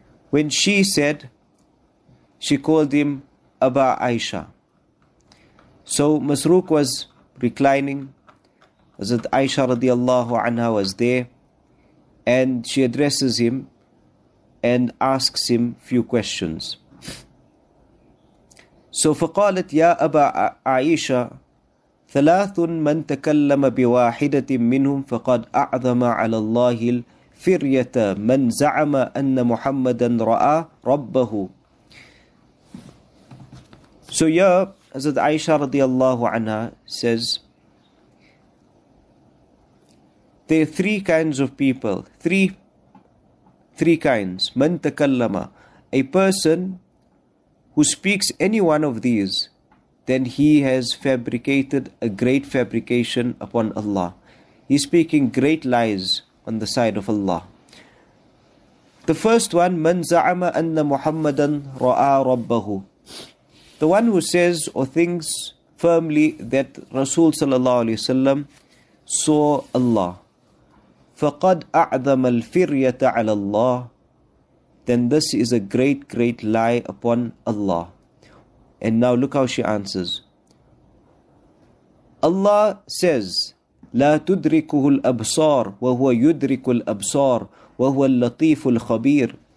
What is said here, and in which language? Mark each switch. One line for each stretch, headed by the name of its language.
English: When she said, she called him Aba Aisha. So Masrook was reclining. Hazrat Aisha radiallahu anha was there. And she addresses him and asks him a few questions.
Arabic: So فقالت يا أبا عائشة ثلاث من تكلم بواحدة منهم فقد أعظم على الله الفرية من زعم أن محمدا رأى ربه.
English: So يا Hazrat Aisha
Arabic: رضي الله عنها
English: says, there are three kinds of people, three kinds.
Arabic: من تكلم,
English: a person who speaks any one of these, then he has fabricated a great fabrication upon Allah. He's speaking great lies on the side of Allah. The first one,
Arabic: من زعم أن محمدا رأى ربه.
English: The one who says or thinks firmly that Rasul sallallahu alayhi wa sallam saw Allah.
Arabic: فَقَدْ أَعْظَمَ الْفِرْيَةَ عَلَى اللَّهِ,
English: then this is a great, great lie upon Allah. And now look how she answers. Allah says,
Arabic: لَا تُدْرِكُهُ الْأَبْصَارِ وَهُوَ يُدْرِكُ الْأَبْصَارِ وَهُوَ اللَّطِيفُ الْخَبِيرِ.